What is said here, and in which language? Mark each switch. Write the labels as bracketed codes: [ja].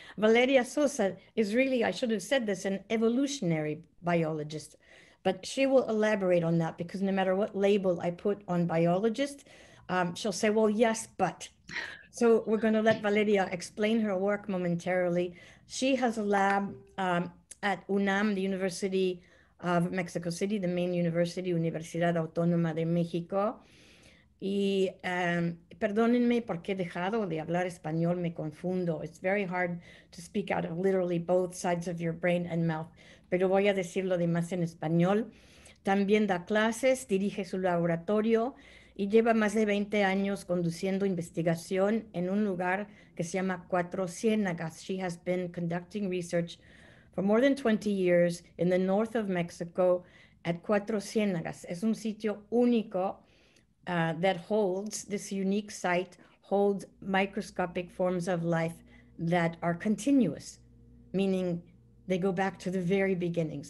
[en] Valeria Souza is really, I should have said this, an evolutionary biologist, but she will elaborate on that because no matter what label I put on biologist, she'll say, well, yes, but. So we're gonna let Valeria explain her work momentarily. She has a lab at UNAM, the University of Mexico City, the main university, Universidad Autónoma de México. [es] Y perdónenme porque he dejado de hablar español, me confundo. [en] It's very hard to speak out of literally both sides of your brain and mouth, [es] pero voy a decirlo de más en español. También da clases, dirige su laboratorio y lleva más de 20 años conduciendo investigación en un lugar que se llama Cuatro Ciénagas. [en] She has been conducting research for more than 20 years in the north of Mexico at Cuatro Ciénagas. [es] Es un sitio único. [en] This unique site holds microscopic forms of life that are continuous, meaning they go back to the very beginnings.